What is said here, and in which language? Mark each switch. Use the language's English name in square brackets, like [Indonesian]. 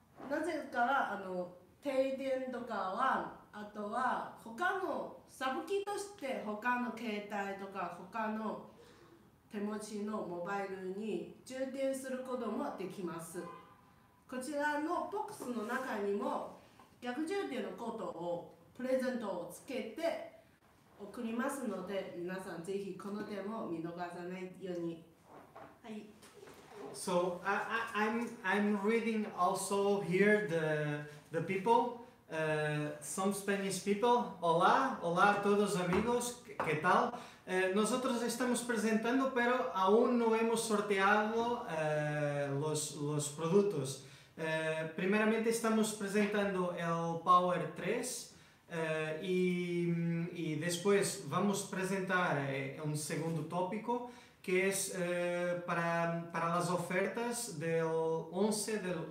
[Japanese] なぜか停電とかは、あとは他のサブ機として他の携帯とか他の手持ちのモバイルに充電することもできます。こちらのボックスの中にも逆充電のコードをプレゼントをつけて送りますので、皆さんぜひこの点も見逃さないように。はい。 [English] So I'm reading also here the people, some Spanish people. [Spanish] Hola, hola a todos amigos, ¿qué tal? Nosotros estamos presentando, pero aún no hemos sorteado los productos. Primeramente estamos presentando el Power 3, y después vamos a presentar un segundo tópico, que es para las ofertas del 11,